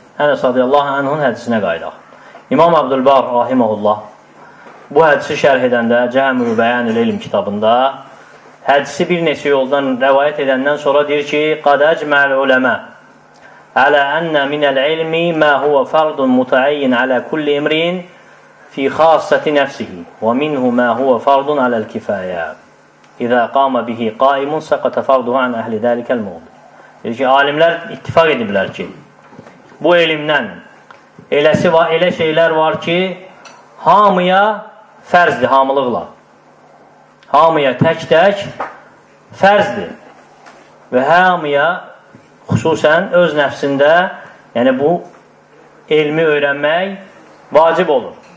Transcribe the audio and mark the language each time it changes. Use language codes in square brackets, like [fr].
[az] Ənəs radiyallahu anhın hədisinə qayıdaq. İmam Əbdülbar rahiməullah bu hədisi şərh edəndə Cəmi-ül Bəyanül İlm kitabında hədisi bir neçə yoldan rəvayət edəndən sonra deyir ki, [ar] qad əcməl uləmə ələ ənə minəl ilmi mə huvə fərdun mutəyyin ələ kulli imrin fi xassəti nəfsihi və minhu mə huvə fərdun ələl kifəyə. اذا قام به قائم سقط فرضه عن اهل ذلك الموضوع. [az] Deyir ki, alimler ittifak ediblər ki, bu elimdən eləsi var, elə şeylər var ki, hamıya fərzdir hamılıqla. Hamıya tək-tək fərzdir. Və hamıya xüsusən öz nəfsində, yəni bu elmi öyrənmək vacib olur.